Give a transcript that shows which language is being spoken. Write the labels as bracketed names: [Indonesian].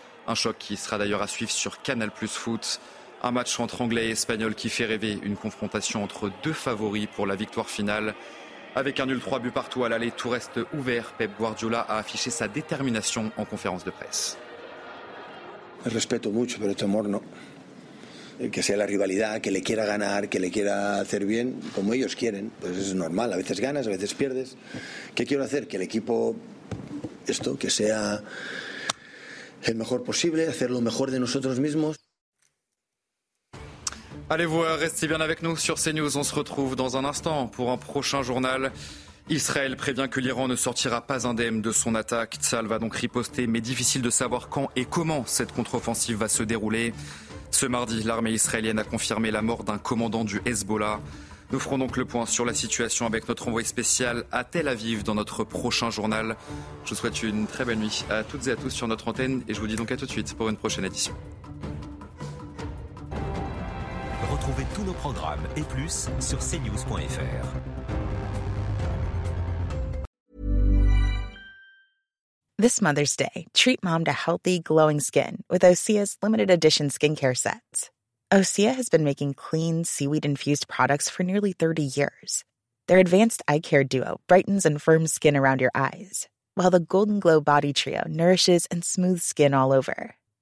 [French] Un choc qui sera d'ailleurs à suivre sur Canal Plus Foot. Un match entre Anglais et Espagnols qui fait rêver, une confrontation entre deux favoris pour la victoire finale. Avec un nul 3 buts partout à l'aller, tout reste ouvert. Pep Guardiola a affiché sa détermination en conférence de presse. Je respecte beaucoup, mais ce amour, non. [Spanish] Que sea la rivalidad, que le quiera ganar, que le quiera hacer bien, como ellos quieren, pues es normal, a veces ganas, a veces pierdes. ¿Qué quiero hacer? Que el equipo, esto, que sea el mejor posible, hacer lo mejor de nosotros mismos. [French] Allez-vous, restez bien avec nous sur CNews, on se retrouve dans un instant pour un prochain journal. Israël prévient que l'Iran ne sortira pas indemne de son attaque. Tzal va donc riposter, mais difficile de savoir quand et comment cette contre-offensive va se dérouler. Ce mardi, l'armée israélienne a confirmé la mort d'un commandant du Hezbollah. Nous ferons donc le point sur la situation avec notre envoyé spécial à Tel Aviv dans notre prochain journal. Je vous souhaite une très belle nuit à toutes et à tous sur notre antenne et je vous dis donc à tout de suite pour une prochaine édition. Retrouvez tous nos programmes et plus sur cnews.fr. [English] This Mother's Day, treat mom to healthy, glowing skin with Osea's limited edition skincare sets. Osea has been making clean, seaweed-infused products for nearly 30 years. Their advanced eye care duo brightens and firms skin around your eyes, while the Golden Glow Body Trio nourishes and smooths skin all over.